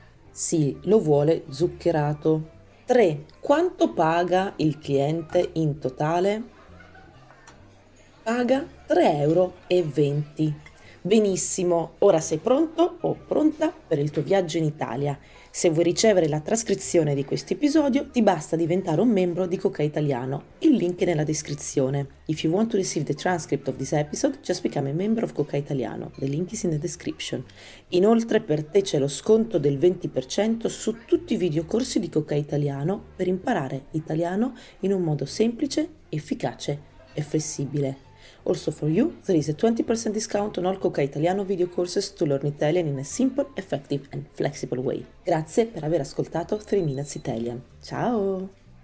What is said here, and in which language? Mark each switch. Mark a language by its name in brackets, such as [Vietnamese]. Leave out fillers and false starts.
[Italian] Sì, lo vuole zuccherato. 3. Quanto paga il cliente in totale? Paga 3,20 €. Benissimo, ora sei pronto o pronta per il tuo viaggio in Italia. Se vuoi ricevere la trascrizione di questo episodio, ti basta diventare un membro di Cocai Italiano. Il link è nella descrizione. [English] If you want to receive the transcript of this episode, just become a member of Cocai Italiano. The link is in the description. [Italian] Inoltre, per te c'è lo sconto del 20% su tutti i videocorsi di Cocai Italiano per imparare italiano in un modo semplice, efficace e flessibile. [English] Also for you, there is a 20% discount on all Cocai Italiano video courses to learn Italian in a simple, effective and flexible way. [Italian] Grazie per aver ascoltato [English] 3 Minutes Italian. [Italian] Ciao!